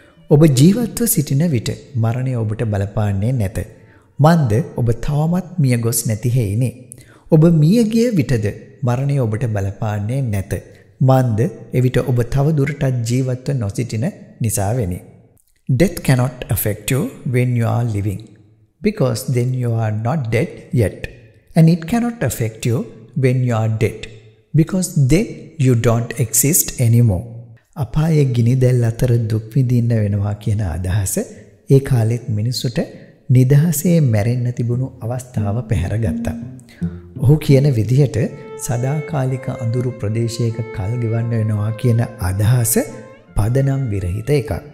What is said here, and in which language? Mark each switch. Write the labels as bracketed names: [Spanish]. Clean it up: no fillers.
[Sinhala] ඔබ ජීවත්ව සිටින විට මරණය ඔබට බලපාන්නේ නැත. මන්ද ඔබ තවමත් මියගොස් නැති හේිනේ. ඔබ මියගිය විටද මරණය ඔබට බලපාන්නේ නැත. මන්ද එවිට ඔබ තවදුරටත් ජීවත්ව නොසිටින නිසා වෙනි. [English] Death cannot affect you when you are living, because then you are not dead yet. And it cannot affect you when you are dead, because then you don't exist anymore. [Sinhala] අපායේ ගිනි දැල් අතර දුක් විඳින්න වෙනවා කියන අදහස ඒ කාලෙත් මිනිසුට නිදහසේ මැරෙන්න තිබුණු අවස්ථාව පැහැරගත්තා. ඔහු කියන විදිහට සදාකාලික අඳුරු ප්‍රදේශයක කල් ගෙවන්න වෙනවා කියන අදහස පදනම් විරහිත එකක්.